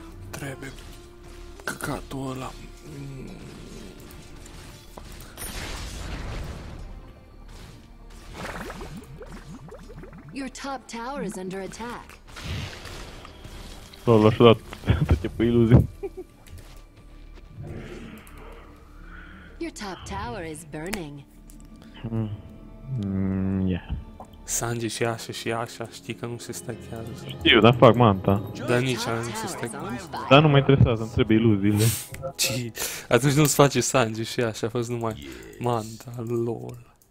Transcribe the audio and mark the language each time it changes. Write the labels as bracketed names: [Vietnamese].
[Romanian] Trebuie căcatul ăla. [English] Your top tower is under attack. [Romanian] Nu, l-aș da toate pe iluzii. [English] Your top tower is burning. Yeah. [Romanian] Sanji și așa și așa, știi că nu se stachează. Știu, dar fac manta. Dar nici așa nu se stachează. Dar nu mă interesează, îmi trebuie iluziile. Ci, atunci nu-ți face Sanji și așa, fă-ți numai manta, lol.